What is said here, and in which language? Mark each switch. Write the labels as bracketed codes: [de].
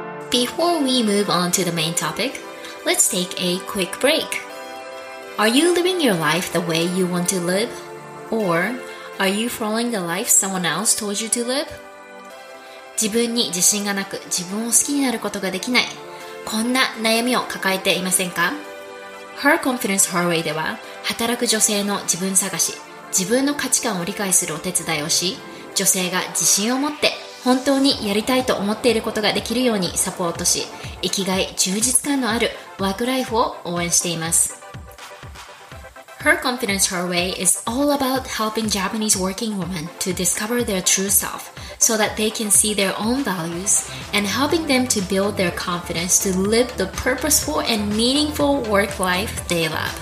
[en] Before we move on to the main topic, let's take a quick break. Are you living your life the way you want to live? Or are you following the life someone else told you to live? [ja] 自分に自信がなく自分を好きになることができない。こんな悩みを抱えていませんか? Her Confidence Her Way では働く女性の自分探し、自分の価値観を理解するお手伝いをし、女性が自信を持って本当にやりたいと思っていることができるようにサポートし、生きがい、充実感のあるワークライフを応援しています。 [en] Her Confidence Her Way is all about helping Japanese working women to discover their true self so that they can see their own values and helping them to build their confidence to live the purposeful and meaningful work life they love.